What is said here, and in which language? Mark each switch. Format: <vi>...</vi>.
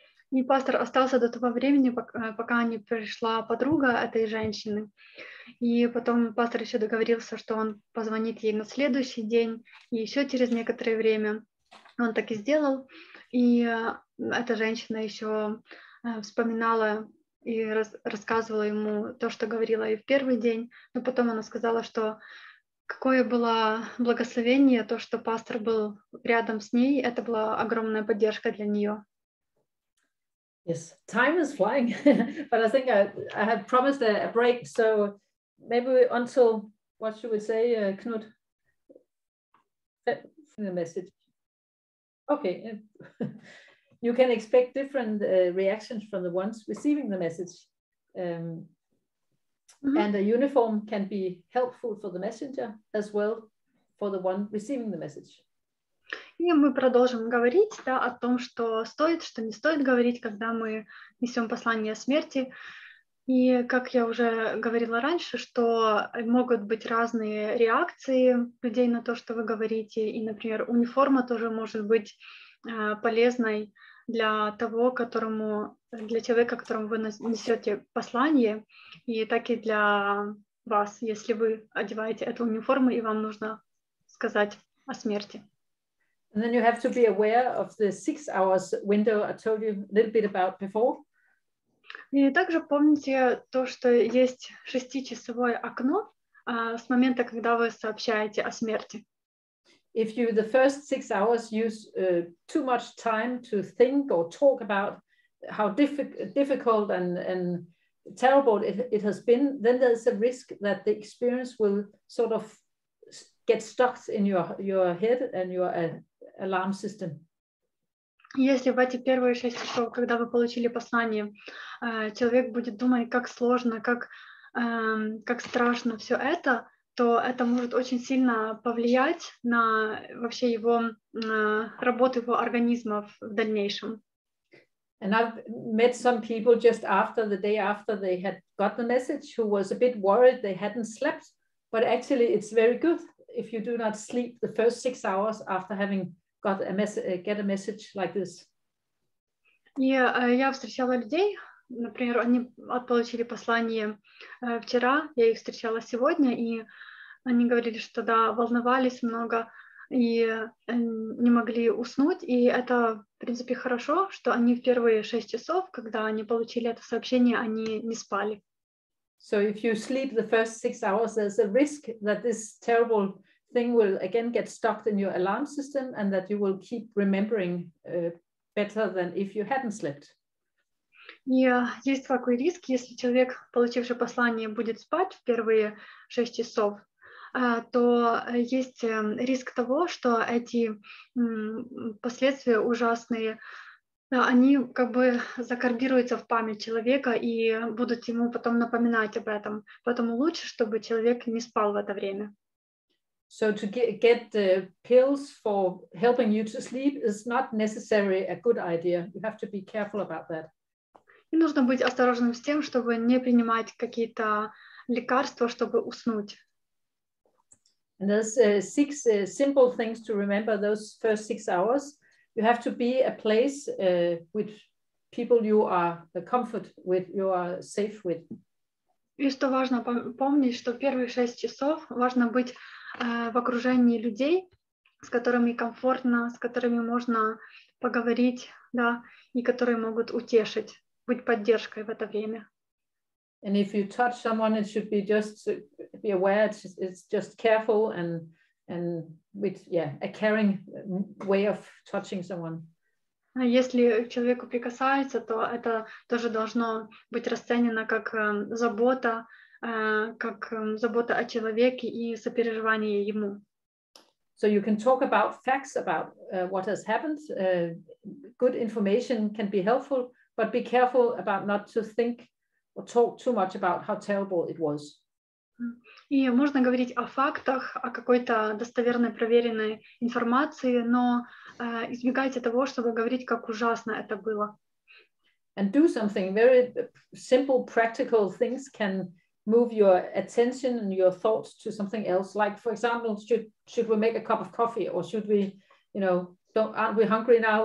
<ru>И пастор остался до того времени, пока не пришла подруга этой женщины. И потом пастор еще договорился, что он позвонит ей на следующий день и еще через некоторое время. Он так и сделал. И эта женщина еще вспоминала и рассказывала ему то, что говорила ей в первый день. Но потом она сказала, что какое было благословение, то, что пастор был рядом с ней. Это была огромная поддержка для нее.</ru> <en>Yes, time is flying, but I think I had promised a break, so maybe until, what should we say, Knut, the message. Okay, you can expect different reactions from the ones receiving the message, and a uniform can be helpful for the messenger as well for the one receiving the message.</en> <ru>И мы продолжим говорить, да, о том, что стоит, что не стоит говорить, когда мы несем послание о смерти. И как я уже говорила раньше, что могут быть разные реакции людей на то, что вы говорите. И, например, униформа тоже может быть полезной для того, для человека, которому вы несете послание, и так и для вас, если вы одеваете эту униформу, и вам нужно сказать о смерти.</ru> <en>And then you have to be aware of the 6 hours window I told you a little bit about before.</en> <ru>И также помните то, что есть 6-часовое окно с момента, когда вы сообщаете о смерти.</ru> <en>If you the first 6 hours use too much time to think or talk about how difficult and terrible it has been, then there's a risk that the experience will sort of get stuck in your head and your alarm system.</en> <ru>Если в эти первые 6 часов, когда вы получили послание, человек будет думать, как сложно, как страшно все это, то это может очень сильно повлиять на вообще его работу его организма в дальнейшем.</ru> <en>And I've met some people just after the day after they had got the message who was a bit worried they hadn't slept, but actually it's very good if you do not sleep the first 6 hours after having got a get a message like this.</en> <ru>Я встречала людей, например, они получили послание вчера, я их встречала сегодня, и они говорили, что да, волновались много и не могли уснуть, и это, в принципе, хорошо, что они в первые 6 часов, когда они получили это сообщение, они не спали.</ru> <en>So if you sleep the first 6 hours, there's a risk that this terrible thing will again get stuck in your alarm system and that you will keep remembering better than if you hadn't slept.</en> <ru>Yeah, есть такой риск, если человек, получивший послание, будет спать в первые 6 часов, то есть риск того, что эти последствия ужасные, они как бы закарбируются в память человека и будут ему потом напоминать об этом. Поэтому лучше, чтобы человек не спал в это время.</ru> <en>So to get the pills for helping you to sleep is not necessarily a good idea. You have to be careful about that.</en> <ru>И нужно быть осторожным с тем, чтобы не принимать какие-то лекарства, чтобы уснуть.</ru> <en>And there's six simple things to remember those first 6 hours. You have to be a place with people you are the comfort with, you are safe with.</en> <ru>И что важно помнить, что первые 6 часов важно быть в окружении людей, с которыми комфортно, с которыми можно поговорить, да, и которые могут утешить, быть поддержкой в это время.</ru> <en>And if you touch someone, it should be just be aware, it's just careful and with, yeah, a caring way of touching someone.</en> <ru>Если человеку прикасается, то это тоже должно быть расценено как забота, как забота о человеке и сопереживание ему.</ru> <en>So you can talk about facts about what has happened. Good information can be helpful, but be careful about not to think or talk too much about how terrible it was.</en> <ru>И можно говорить о фактах, о какой-то достоверной, проверенной информации, но избегайте того, чтобы говорить, как ужасно это было.</ru> <en>And do something. Very simple, practical things can move your attention and your thoughts to something else. Like, for example, should we make a cup of coffee? Or should we, you know, aren't we hungry now?</en>